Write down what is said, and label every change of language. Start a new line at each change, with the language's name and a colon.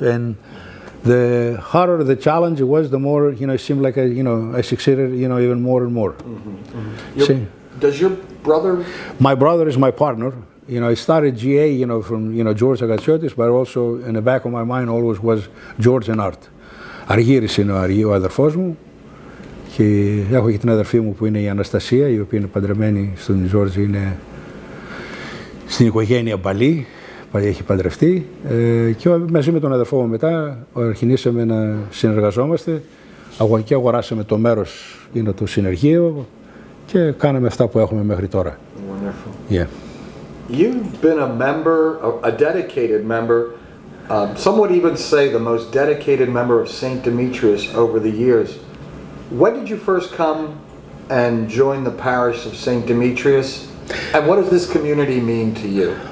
English: And the harder the challenge was, the more, it seemed like I succeeded, even more and more. Mm-hmm. Mm-hmm. Does your brother? My brother is my partner. I started GA, from, George Agatsiotis, but also in the back of my mind always was George and Art.
Greek: Αργύρισε ο αδερφός μου. Και έχω και την αδερφή μου που είναι η Αναστασία, η οποία είναι παντρεμένη στον Ζόρζη, είναι στην οικογένεια Μπαλή, έχει παντρευτεί. Και μαζί με τον αδερφό μου μετά αρχινήσαμε να συνεργαζόμαστε και αγοράσαμε το μέρος, είναι το συνεργείο, και κάναμε αυτά που έχουμε μέχρι τώρα.
English: Yeah. You've been a member, a dedicated member, some would even say the most dedicated member of St. Demetrios over the years. When did you first come and join the parish of St. Demetrios, and what does this community mean to you?